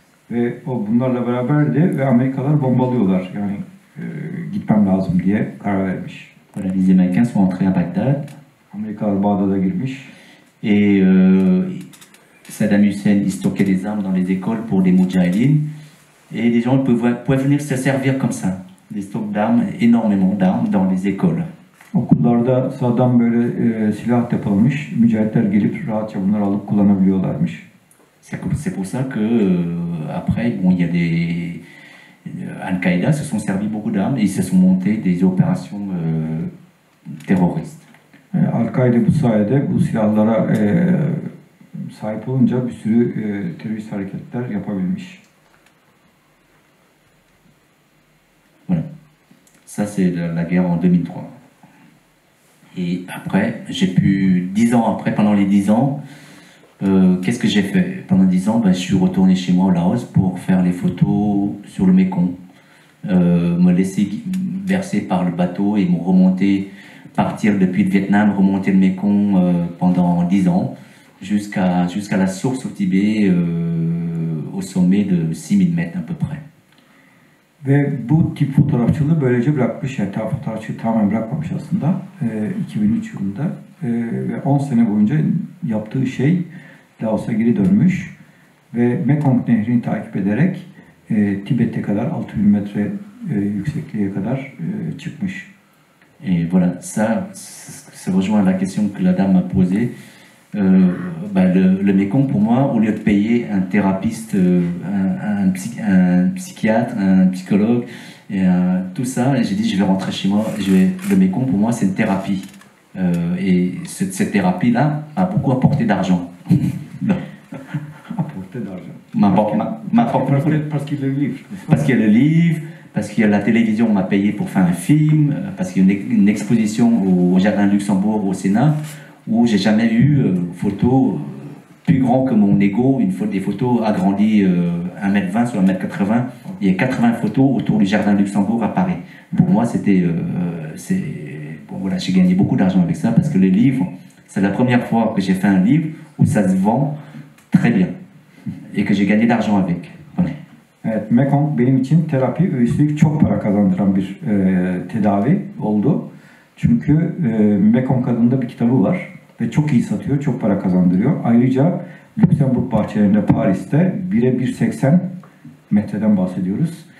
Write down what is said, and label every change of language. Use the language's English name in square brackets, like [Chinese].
[Turkish] Ve o bunlarla beraberdi ve Amerikalılar bombalıyorlar yani gitmem lazım diye karar vermiş. [French] Voilà, les Américains sont entrés à Bagdad. [Turkish] Amerikalılar Bağdat'a girmiş. [French] Et Saddam Hussein il stockait des armes dans les écoles pour les Moudjahidines. Et des gens peuvent venir se servir comme ça. Des stocks d'armes, énormément d'armes dans les écoles. [Turkish] Okullarda Saddam böyle silah depolamış. Mücahitler gelip rahatça bunları alıp kullanabiliyorlarmış. [French] C'est pour ça que après, bon, il y a des Al-Qaïda se sont servis beaucoup d'armes et ils se sont montés des opérations terroristes. [Turkish] Al-Qaïda, bu sayede, bu silahlara sahip olunca bir sürü terörist hareketler yapabilmiş. [French] Voilà. Ça c'est la guerre en 2003. Et après, j'ai pu 10 ans après, pendant les 10 ans. Qu'est-ce que j'ai fait pendant 10 ans? Ben, je suis retourné chez moi au Laos pour faire les photos sur le Mékong, me laisser verser par le bateau et me remonter partir depuis le Vietnam, remonter le Mékong pendant 10 ans, jusqu'à la source au Tibet, au sommet de 6000 mètres à peu près. [Turkish] Ve bu tip fotoğrafçılığı böylece bırakmış, yani fotoğrafçılığı tamamen bırakmamış aslında 2003 yılında. Ve 10 sene boyunca yaptığı şey Laos'a geri dönmüş ve Mekong nehrini takip ederek Tibet'e kadar 6000 metre yüksekliğe kadar çıkmış. [French] Et voilà, ça rejoint la question que la dame a posée. Le Mekong, pour moi, au lieu de payer un thérapeute, un psychiatre, un psychologue, et tout ça, j'ai dit, je vais rentrer chez moi. Le Mekong, pour moi, c'est une thérapie. Cette thérapie-là m'a beaucoup apporté d'argent. Parce qu'il y a le livre. Parce que la télévision m'a payé pour faire un film, parce qu'il y a une exposition au Jardin de Luxembourg, au Sénat, où j'ai jamais eu photo plus grand que mon ego, des photos agrandies 1m20 sur 1m80. Il y a 80 photos autour du Jardin de Luxembourg à Paris. Pour moi, c'était... j'ai gagné beaucoup d'argent avec ça, parce que le livre, c'est la première fois que j'ai fait un livre où ça se vend très bien, et que j'ai gagné d'argent avec. [Turkish] Evet, Mekong benim için terapi ve üstelik çok para kazandıran bir tedavi oldu. Çünkü Mekong adında bir kitabı var ve çok iyi satıyor, çok para kazandırıyor. Ayrıca Lüksemburg bahçelerinde Paris'te bire 1.80 metreden bahsediyoruz.